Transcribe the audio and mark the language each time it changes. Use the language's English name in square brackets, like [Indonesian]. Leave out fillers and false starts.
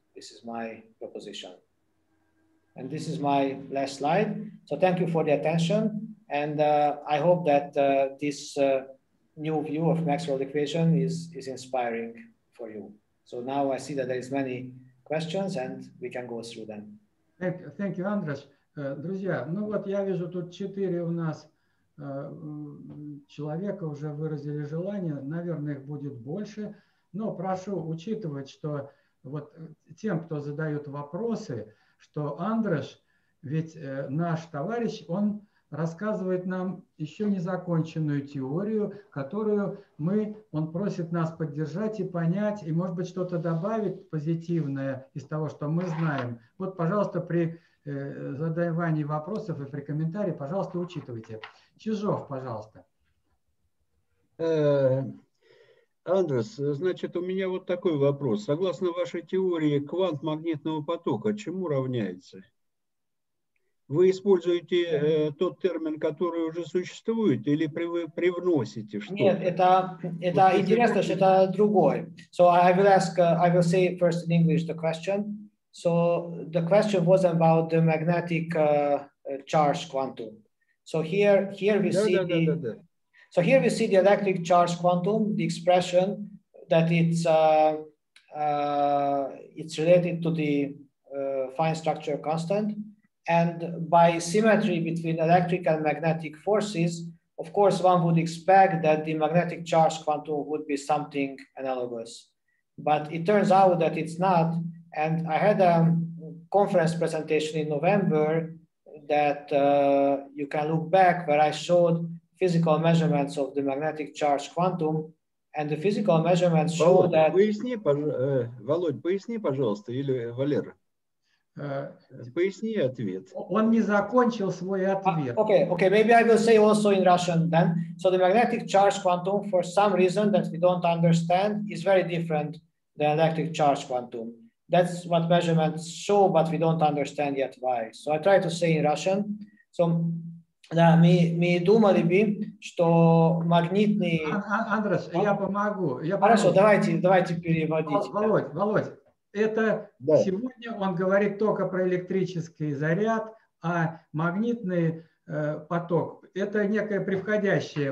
[English] This is my proposition. And this is my last slide. So thank you for the attention. And I hope that this new view of Maxwell equation is inspiring for you. So now I see that there is many questions and we can go through them. Thank you, Andras. [Russian] Друзья, ну вот я вижу тут четыре у нас человека уже выразили желание. Наверное, их будет больше. Но прошу учитывать, что вот тем, кто задает вопросы, что Андраш, ведь наш товарищ, он рассказывает нам еще незаконченную теорию, которую мы, он просит нас поддержать и понять, и может быть что-то добавить позитивное из того, что мы знаем. Вот, пожалуйста, при задавании вопросов и при комментарии, пожалуйста, учитывайте. Чижов, пожалуйста. Андрес, значит, у меня вот такой вопрос. Согласно вашей теории, квант магнитного потока чему равняется? Вы используете тот термин, который уже существует, или вы привносите что-то? Нет, это вот интересно, это... что это другое. [English] So I will ask, I will say first in English the question. So the question was about the magnetic charge quantum. So here we see the... So here we see the electric charge quantum, the expression that it's related to the fine structure constant. And by symmetry between electric and magnetic forces, of course, one would expect that the magnetic charge quantum would be something analogous. But it turns out that it's not. And I had a conference presentation in November that you can look back, where I showed physical measurements of the magnetic charge quantum. And the physical measurements show that... [Russian] Володь, поясни, пожалуйста, или Валера. Поясни ответ. Он не закончил свой ответ. [English] Okay, maybe I will say also in Russian then. So the magnetic charge quantum, for some reason that we don't understand, is very different than electric charge quantum. That's what measurements show, but we don't understand yet why. So I try to say in Russian. [Russian] So, да, мы думали бы, что магнитный... Андрес, я помогу. Хорошо, давайте переводить. Володь. Это да. Сегодня он говорит только про электрический заряд, а магнитный поток – это некое превходящее.